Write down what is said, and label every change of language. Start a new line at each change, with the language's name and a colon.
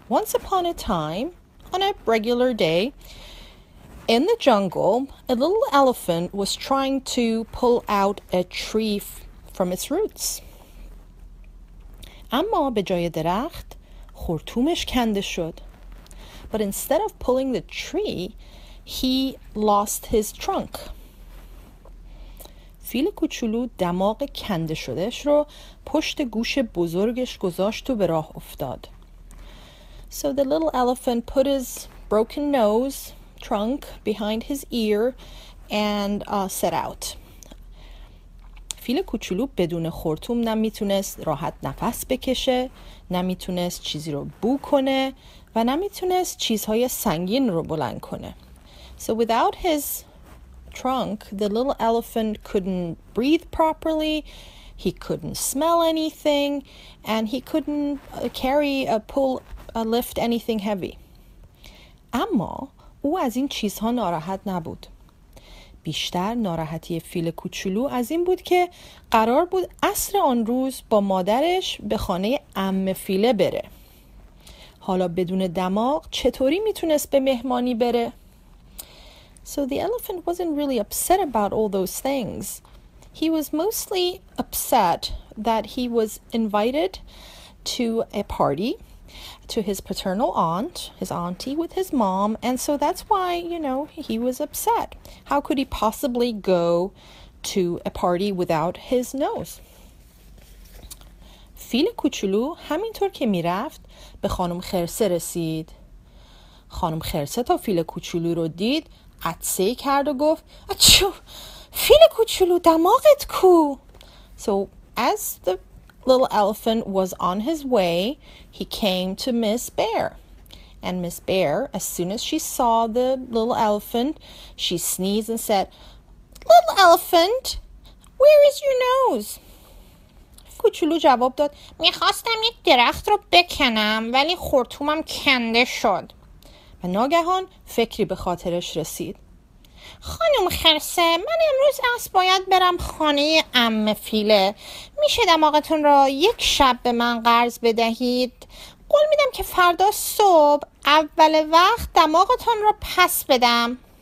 English: Once upon a time, on a regular day, in the jungle, a little elephant was trying to pull out a tree from its roots.
Persian: اما به جای درخت خرطومش کنده شد.
English: But instead of pulling the tree, he lost his trunk.
Persian: فیل کوچولو دماغ کنده شدهش رو پشت گوش بزرگش گذاشت و به راه افتاد.
English: So the little elephant put his broken nose trunk behind his ear and set out.
Persian: فیل کوچولو بدون خرطوم نمیتونست راحت نفس بکشه، نمیتونست چیزی رو بو کنه و نمیتونست چیزهای سنگین رو بلند کنه.
English: So without his trunk, the little elephant couldn't breathe properly, he couldn't smell anything, and he couldn't carry a pull a lift anything heavy.
Persian: اما او از این چیزها ناراحت نبود. بیشتر ناراحتی فیل کوچولو از این بود که قرار بود عصر آن روز با مادرش به خانه عم فیله بره. حالا بدون دماغ چطوری میتونست به مهمانی بره؟
English: So the elephant wasn't really upset about all those things. He was mostly upset that he was invited to a party to his paternal aunt, his auntie, with his mom. And so that's why, you know, he was upset. How could he possibly go to a party without his nose?
Persian: فیل کوچولو همینطور که میرفت به خانم خرسه رسید. خانم خرسه تا فیل کوچولو رو دید عطسه کرد و گفت اچو فیل کوچولو دماغت کو.
English: So as the little elephant was on his way, he came to Miss Bear. And Miss Bear, as soon as she saw the little elephant, she sneezed and said, Little elephant, where is your nose?
Persian: کوچولو جواب داد میخواستم یک درخت رو بکنم ولی خرطومم کنده شد. و ناگهان فکری به خاطرش رسید. خانم خرسه، من امروز از باید برم خانه عم فیله. میشه دماغتون را یک شب به من قرض بدهید؟ قول میدم که فردا صبح اول وقت دماغتون را پس بدم.